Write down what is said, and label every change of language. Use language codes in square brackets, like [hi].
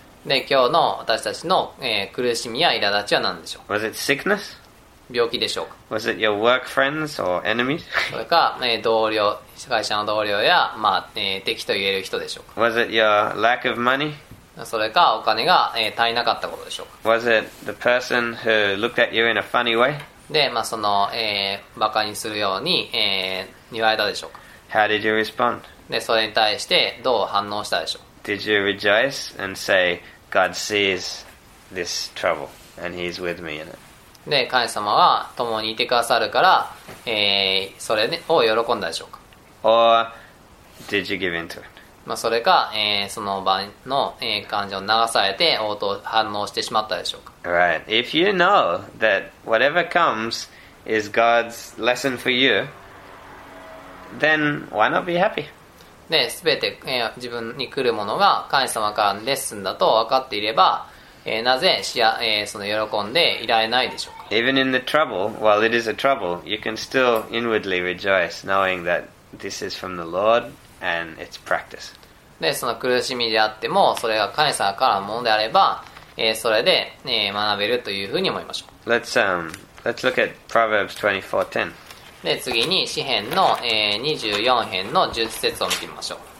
[ja] で、今日の私たちの、苦しみや苛立ちは何でしょう? [en] Was it sickness? [ja] 病気でしょうか? [en] Was it your work friends or enemies? [ja] それか、同僚会社の同僚や、まあ敵と言える人でしょうか? [en] Was it your lack of money? [ja] それかお金が、足りなかったことでしょうか? [en] Was it the person who looked at you in a funny way? [ja] で、まあ、その、バカにするように、言われたでしょうか? [en] How did you respond? [ja] で、それに対してどう反応したでしょう? [en] Did you rejoice and say, God sees this trouble and He's with me in it? [ja] で、神様は共にいてくださるから、それを喜んだでしょうか。 [en] Or did you give in to it? [ja] まあ、それか、その場の、感情を流されて応答、反応してしまったでしょうか。 [en] Right. If you know that whatever comes is God's lesson for you, then why not be happy? [ja] で、すべて、自分に来るものが神様からのレッスンだと分かっていれば、なぜしや、その喜んでいられないでしょうか。 [en] Even in the trouble, while it is a trouble, you can still inwardly rejoice, knowing that this is from the Lord and it's practice. [ja] で、その苦しみであっても、それが神様からのものであれば、それで、学べるというふうに思いましょう。 [en] Let's look at Proverbs 24:10. [ja] で、次に詩篇の、24編の10節を見てみましょう。